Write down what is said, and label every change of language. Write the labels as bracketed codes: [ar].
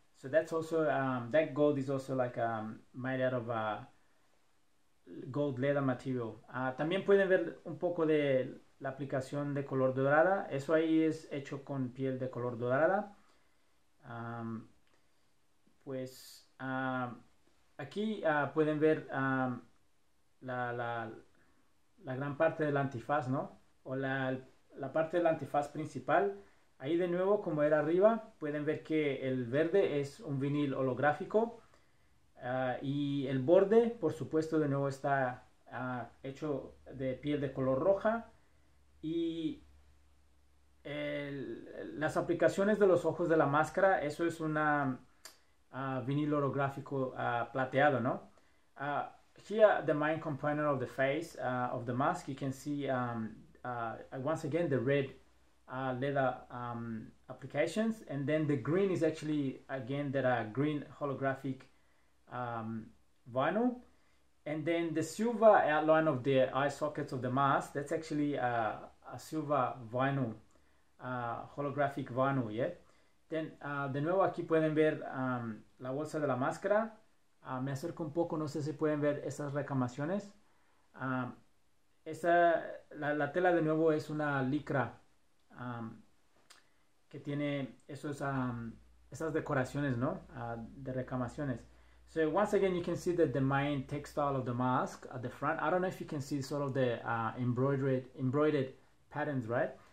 [en] So that's also that gold is also like made out of gold leather material. [es] También pueden ver un poco de la aplicación de color dorada, eso ahí es hecho con piel de color dorada. Pues aquí pueden ver la gran parte del antifaz, ¿no? O la parte del antifaz principal. Ahí de nuevo, como era arriba, pueden ver que el verde es un vinil holográfico, y el borde, por supuesto, de nuevo está hecho de piel de color roja. Y las aplicaciones de los ojos de la máscara, eso es un vinilo holográfico plateado, ¿no? [en] Here, the main component of the face of the mask, you can see once again the red leather applications, and then the green is actually again that green holographic vinyl. And then the silver outline of the eye sockets of the mask, that's actually a silver vinyl, holographic vinyl, yeah. [es] Then, de nuevo aquí pueden ver la bolsa de la máscara. Me acerco un poco, no sé si pueden ver esas recamaciones. La tela de nuevo es una licra que tiene esas decoraciones, ¿no? De recamaciones. [en] So once again, you can see that the main textile of the mask at the front. I don't know if you can see sort of the embroidered patterns, right?